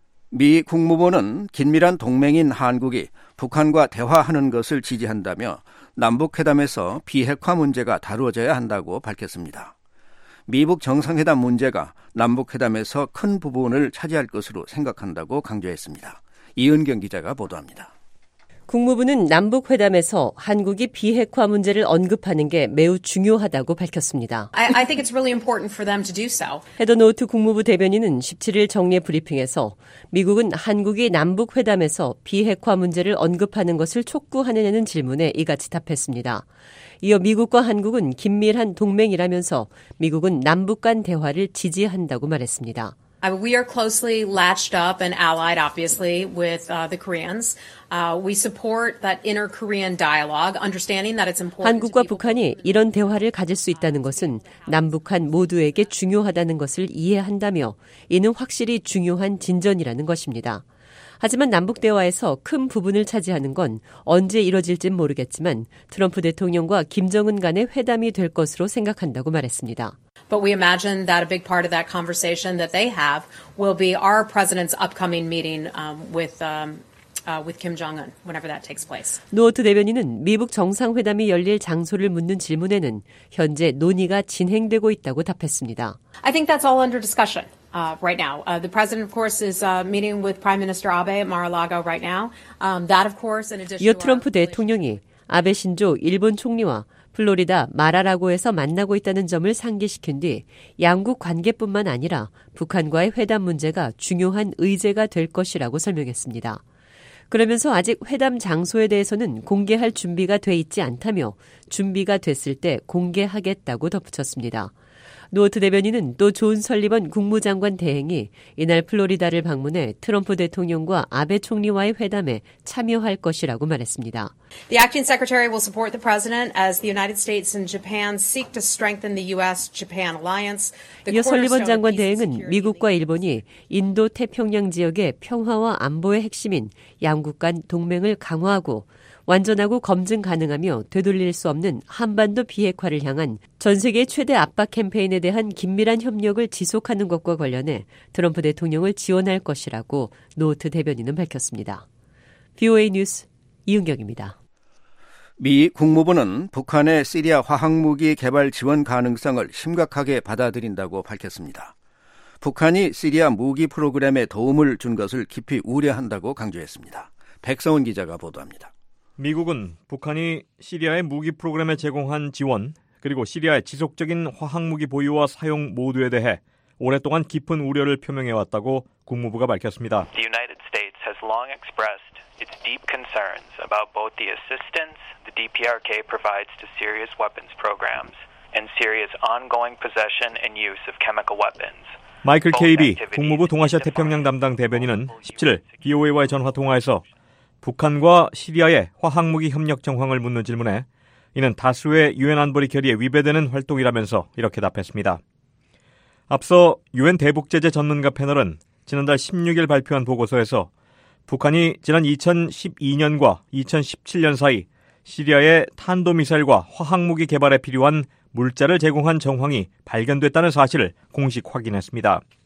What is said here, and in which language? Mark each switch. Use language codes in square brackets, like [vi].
[ko] 미 국무부는 긴밀한 동맹인 한국이 북한과 대화하는 것을 지지한다며 남북회담에서 비핵화 문제가 다루어져야 한다고 밝혔습니다. 미북 정상회담 문제가 남북회담에서 큰 부분을 차지할 것으로 생각한다고 강조했습니다. 이은경 기자가 보도합니다. 국무부는 남북회담에서 한국이 비핵화 문제를 언급하는 게 매우 중요하다고 밝혔습니다. [en] I think it's really important for them to do so. [ko] 헤더 노트 국무부 대변인은 17일 정례 브리핑에서 미국은 한국이 남북회담에서 비핵화 문제를 언급하는 것을 촉구하느냐는 질문에 이같이 답했습니다. 이어 미국과 한국은 긴밀한 동맹이라면서 미국은 남북 간 대화를 지지한다고 말했습니다. [en] We are closely latched up and allied, obviously, with the Koreans. We support that inter-Korean dialogue, understanding that it's important. [ko] 한국과 북한이 이런 대화를 가질 수 있다는 것은 남북한 모두에게 중요하다는 것을 이해한다며 이는 확실히 중요한 진전이라는 것입니다. 하지만 남북 대화에서 큰 부분을 차지하는 건 언제 이뤄질진 모르겠지만 트럼프 대통령과 김정은 간의 회담이 될 것으로 생각한다고 말했습니다. [en] But we imagine that a big part of that conversation that they have will be our president's upcoming meeting with Kim Jong-un whenever that takes place. [ko] 노어트 대변인은 미북 정상회담이 열릴 장소를 묻는 질문에는 현재 논의가 진행되고 있다고 답했습니다. [en] I think that's all under discussion. Right now, the president, of course, is meeting with Prime Minister Abe at Mar-a-Lago right now. That, of course, in addition. [ko] 이어 트럼프 대통령이 아베 신조 일본 총리와 플로리다 마라라고에서 만나고 있다는 점을 상기시킨 뒤 양국 관계뿐만 아니라 북한과의 회담 문제가 중요한 의제가 될 것이라고 설명했습니다. 그러면서 아직 회담 장소에 대해서는 공개할 준비가 돼 있지 않다며 준비가 됐을 때 공개하겠다고 덧붙였습니다. 노어트 대변인은 또 존 설리번 국무장관 대행이 이날 플로리다를 방문해 트럼프 대통령과 아베 총리와의 회담에 참여할 것이라고 말했습니다. [en] The acting secretary will support the president as the United States and Japan seek to strengthen the U.S.-Japan alliance. [ko] 이어 설리번 장관 대행은 미국과 일본이 인도 태평양 지역의 평화와 안보의 핵심인 양국 간 동맹을 강화하고 완전하고 검증 가능하며 되돌릴 수 없는 한반도 비핵화를 향한 전 세계 최대 압박 캠페인에 대한 긴밀한 협력을 지속하는 것과 관련해 트럼프 대통령을 지원할 것이라고 노트 대변인은 밝혔습니다. VOA 뉴스 이은경입니다. 미 국무부는 북한의 시리아 화학무기 개발 지원 가능성을 심각하게 받아들인다고 밝혔습니다. 북한이 시리아 무기 프로그램에 도움을 준 것을 깊이 우려한다고 강조했습니다. 백성훈 기자가 보도합니다. 미국은 북한이 시리아의 무기 프로그램에 제공한 지원 그리고 시리아의 지속적인 화학무기 보유와 사용 모두에 대해 오랫동안 깊은 우려를 표명해왔다고 국무부가 밝혔습니다. [en] The United States has long expressed its deep concerns about both the assistance the DPRK provides to Syria's weapons programs and Syria's ongoing possession and use of chemical weapons. [ko] 마이클 KB 국무부 동아시아 태평양 담당 대변인은 17일 BOA와의 전화 통화에서 북한과 시리아의 화학무기 협력 정황을 묻는 질문에 이는 다수의 유엔 안보리 결의에 위배되는 활동이라면서 이렇게 답했습니다. 앞서 유엔 대북제재 전문가 패널은 지난달 16일 발표한 보고서에서 북한이 지난 2012년과 2017년 사이 시리아의 탄도미사일과 화학무기 개발에 필요한 물자를 제공한 정황이 발견됐다는 사실을 공식 확인했습니다.